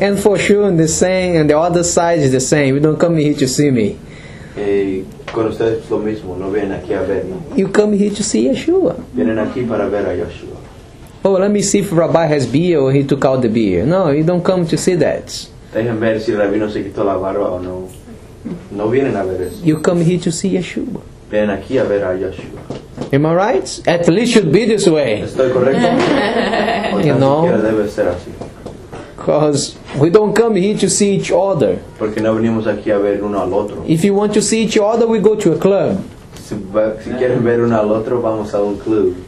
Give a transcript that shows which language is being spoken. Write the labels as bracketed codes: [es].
[en] And for sure, the same, and the other side is the same. You don't come here to see me. [es] Con ustedes lo mismo, no vienen aquí a ver, ¿no? [en] You come here to see Yeshua. [es] Vienen aquí para ver a Yeshua. [en] Oh, let me see if Rabbi has beer or he took out the beer. No, you don't come to see that. [es] Dejen ver si el rabino se quitó la barba o no. No vienen a ver eso. [en] You come here to see Yeshua. [es] Vienen aquí a ver a Yeshua. [en] Am I right? At least should be this way. [es] Estoy correcto. [en] You know. [es] Debe ser así. [en] Because we don't come here to see each other. [es] Porque no venimos aquí a ver uno al otro. [en] If you want to see each other, we go to a club. [es] Si quieren ver uno al otro, vamos a un club.